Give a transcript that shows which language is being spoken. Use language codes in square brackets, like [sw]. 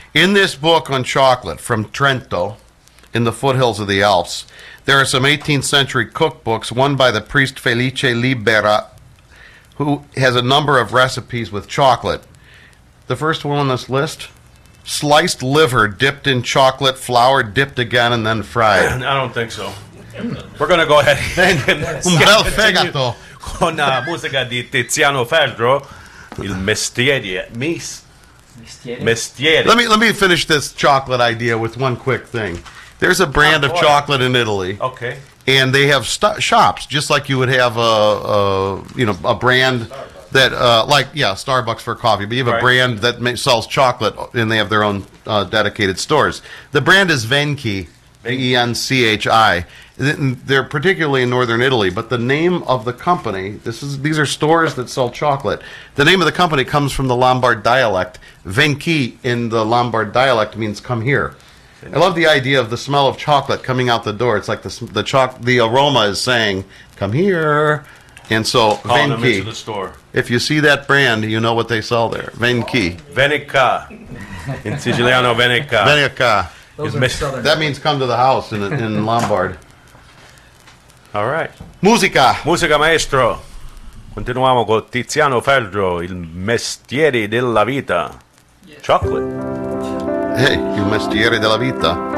[en] In this book on chocolate from Trento in the foothills of the Alps, there are some 18th century cookbooks, one by the priest Felice Libera, who has a number of recipes with chocolate. The first one on this list, sliced liver dipped in chocolate, flour dipped again, and then fried. I don't think so. We're going to go ahead and [it] un bel fegato. Con la musica di Tiziano Ferro, il mestiere. [en] Let me finish this chocolate idea with one quick thing. There's a brand of chocolate in Italy. Okay. And they have shops, just like you would have a brand Starbucks. Starbucks for coffee. But you have a brand that sells chocolate, and they have their own dedicated stores. The brand is Venchi, V-E-N-C-H-I. They're particularly in northern Italy, but the name of the company, these are stores that sell chocolate. The name of the company comes from the Lombard dialect. Venchi in the Lombard dialect means come here. I love the idea of the smell of chocolate coming out the door. It's like the aroma is saying, come here. And so, Venchi. Call them into the store. If you see that brand, you know what they sell there. Venchi. [it] Venica. In Siciliano, Venica. Venica. [en] That means come to the house in Lombard. All right. [it] Musica. Musica, maestro. Continuiamo con Tiziano Ferro, il mestiere della vita. Yeah. Chocolate. il mestiere della vita.